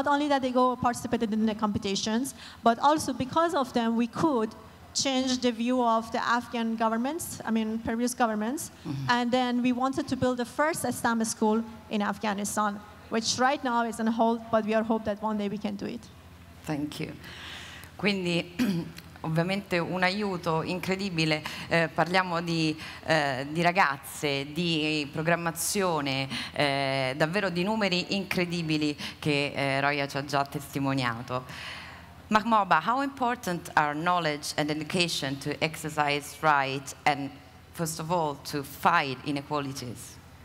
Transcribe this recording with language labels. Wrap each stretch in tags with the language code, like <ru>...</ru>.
<en>Not only that they go participated in the competitions, but also because of them, we could change the view of the Afghan governments, previous governments, and then we wanted to build the first STEM school in Afghanistan, which right now is on hold, but we are hope that one day we can do it. Thank you. Quindi...</en> <it>ovviamente un aiuto incredibile, parliamo di ragazze, di programmazione, davvero di numeri incredibili che Roya ci ha già testimoniato.</it> <en>Mahboba, how important are knowledge and education to exercise rights and first of all to fight inequalities?</en>